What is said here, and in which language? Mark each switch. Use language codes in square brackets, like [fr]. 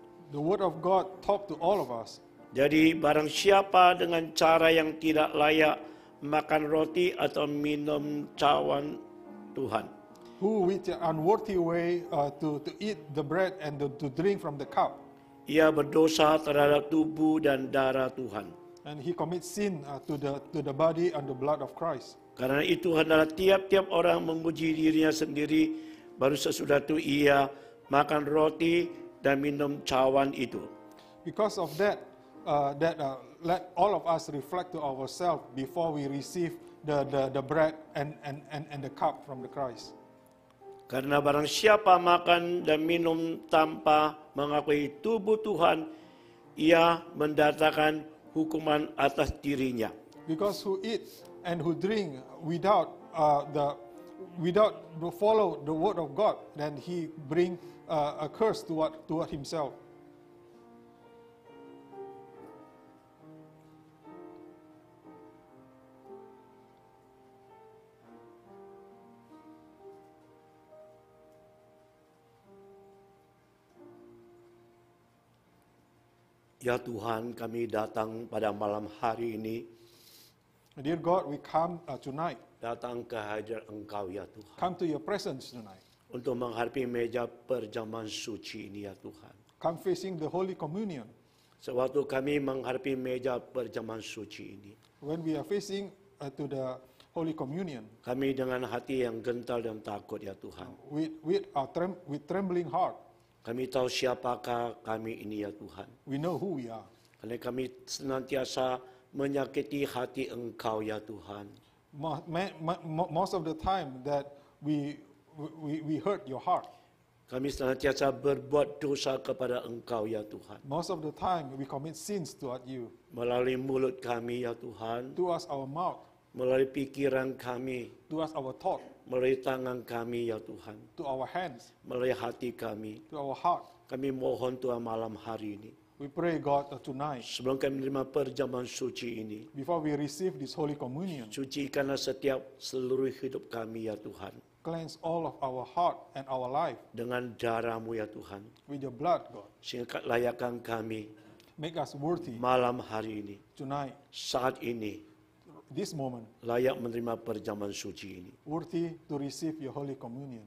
[en] The word of God talk to all of us. [id] Jadi barang siapa dengan cara yang tidak layak makan roti atau minum cawan Tuhan. [en] Who with an unworthy way to eat the bread and to drink from the cup. [id] Ia berdosa terhadap tubuh dan darah Tuhan. [en] And he commits sin to the body and the blood of Christ. [id] Karena itu hendaklah tiap-tiap orang menguji dirinya sendiri baru sesudah itu ia makan roti dan minum cawan itu. [en] Because of that, let all of us reflect to ourselves before we receive the bread and the cup from the Christ. [id] Karena barang siapa makan dan minum tanpa mengakui tubuh Tuhan, ia mendatangkan hukuman atas dirinya. [en] Because who eats and who drink without to follow the word of God, then he bring a curse toward himself. [id] Ya Tuhan, kami datang pada malam hari ini. [en] Dear God, we come tonight. [id] Datang ke hadirat Engkau, ya Tuhan. [en] Come to your presence tonight. [id] Untuk menghadapi meja perjamuan suci ini, ya Tuhan. [en] Come facing the Holy Communion. [id] Sewaktu kami menghadapi meja perjamuan suci ini. [en] When we are facing to the Holy Communion. [id] Kami dengan hati yang gental dan takut, ya Tuhan. [en] With trembling heart. [id] Kami tahu siapakah kami ini, ya Tuhan. [en] We know who we are. [id] Karena kami senantiasa menyakiti hati Engkau, ya Tuhan. [en] Most of the time that we hurt your heart. [id] Kami senantiasa berbuat dosa kepada Engkau, ya Tuhan. [en] Most of the time we commit sins toward you. [id] Melalui mulut kami, ya Tuhan. [en] To us our mouth. [id] Melalui pikiran kami. [en] To us our thought. [id] Melalui tangan kami, ya Tuhan. [en] To our hands. [id] Melalui hati kami. [en] To our heart. [id] Kami mohon Tuhan malam hari ini. [en] We pray God tonight. [id] Sebelum kami menerima perjamuan suci ini. [en] Before we receive this holy communion. [id] Sucikanlah setiap seluruh hidup kami, ya Tuhan. [en] Cleanse all of our heart and our life. [id] Dengan darah-Mu, ya Tuhan. [en] With your blood, God. [id] Sehingga layakkan kami. [en] Make us worthy. [id] Malam hari ini. [en] Tonight. [id] Saat ini. [en] This moment [id] layak menerima perjamuan suci ini. [en] Worthy to receive your holy communion.